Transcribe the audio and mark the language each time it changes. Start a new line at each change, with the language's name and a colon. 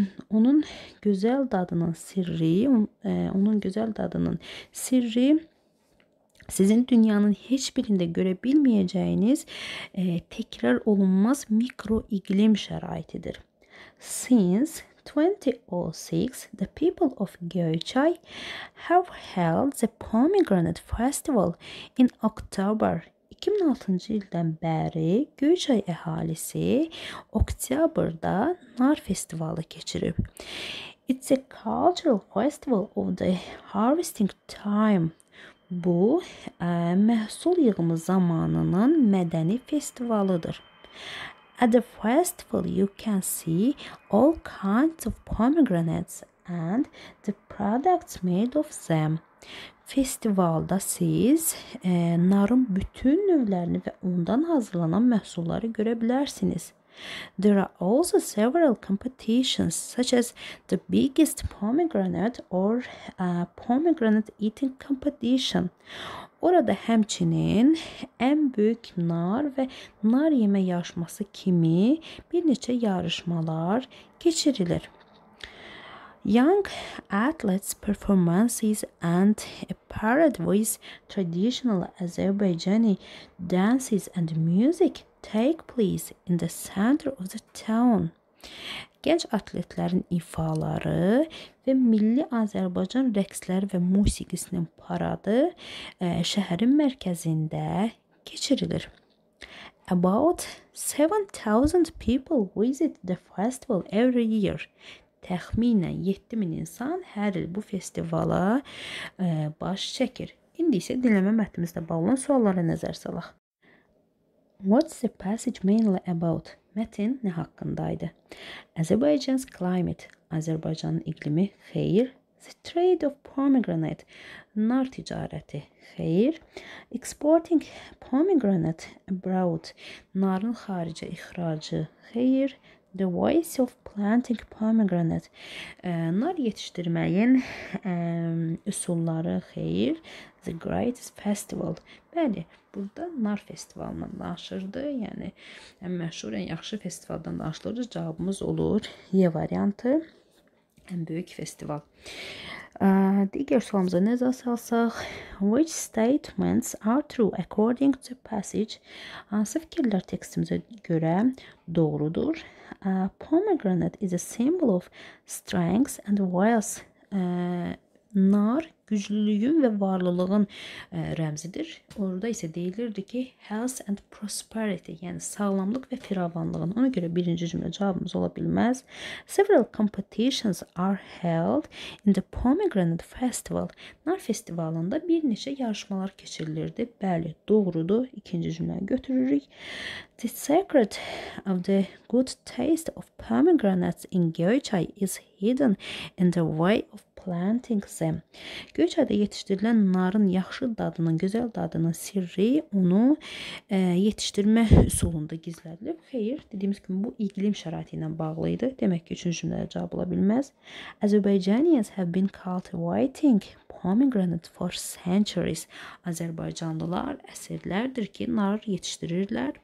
Azerbaijani: Onun gözəl dadının sirri, sizin dünyanın heç birində görə bilməyəcəyiniz təkrar olunmaz mikro iqlim şəraitidir.
English: Since 2006, the people of Göyçay have held the Pomegranate Festival in October.
Azerbaijani: 2006-cı ildən bəri Göyçay əhalisi oktyabrda nar festivalı keçirib.
English: It's a cultural festival of the harvesting time.
Azerbaijani: Bu, məhsul yığımı zamanının mədəni festivalıdır.
English: At the festival you can see all kinds of pomegranates and the products made of them.
Azerbaijani: Festivalda siz narın bütün növlərini və ondan hazırlanan məhsulları görə bilərsiniz.
English: There are also several competitions such as the biggest pomegranate or pomegranate eating competition.
Azerbaijani: Orada həmçinin ən böyük nar və nar yemə yarışması kimi bir neçə yarışmalar keçirilir.
English: Young athletes' performances and a parade with traditional Azerbaijani dances and music take place in the center of the town.
Azerbaijani: Gənc atletlərin ifaları və milli Azərbaycan rəqsləri və musiqisinin paradı şəhərin mərkəzində keçirilir.
English: About 7,000 people visit the festival every year.
Azerbaijani: Təxminən 7000 insan hər il bu festivala baş çəkir. İndi isə dinləmə mətnimizdə bağlı suallara nəzər salaq.
English: What's the passage mainly about?
Azerbaijani: Mətin nə haqqındaydı?
English: Azerbaijan's climate.
Azerbaijani: Azərbaycanın iqlimi. Xeyr.
English: The trade of pomegranate.
Azerbaijani: Nar ticarəti. Xeyr.
English: Exporting pomegranate abroad.
Azerbaijani: Narın xaricə ixracı. Xeyr.
English: The ways of planting pomegranate.
Azerbaijani: Nar yetişdirməyin üsulları. Xeyr.
English: The great festival.
Azerbaijani: Bəli, burada nar festivalına danışırdı. Yəni, ən məşhur, ən yaxşı festivaldan danışılırdı. Cavabımız olur Y variantı. Ən böyük festival. Digər sualımıza nəzər salsaq.
English: Which statements are true according to passage?
Azerbaijani: Hansı fikirlər tekstimizə görə doğrudur?
English: Pomegranate is a symbol of strength and wealth.
Azerbaijani: Nar güclülüyün və varlılığın rəmzidir. Orada isə deyilirdi ki,
English: health and prosperity,
Azerbaijani: yəni sağlamlıq və firavanlığın. Ona görə birinci cümlə cavabımız ola bilməz.
English: Several competitions are held in the Pomegranate Festival.
Azerbaijani: Nar festivalında bir neçə yarışmalar keçirilirdi. Bəli, doğrudur. İkinci cümləni götürürük.
English: The secret of the good taste of pomegranates in Göyçay is hidden in the way of planting them.
Azerbaijani: Göyçaydə yetişdirilən narın yaxşı dadının, gözəl dadının sirri onu yetişdirmə üsulunda gizlədilib. Xeyr, dediyimiz kimi bu iqlim şəraiti ilə bağlı idi. Demək ki, üçüncü cümlədə cavab ola bilməz.
English: Azerbaijanians have been cultivating pomegranate for centuries.
Azerbaijani: Azərbaycanlılar əsrlərdir ki, nar yetişdirirlər.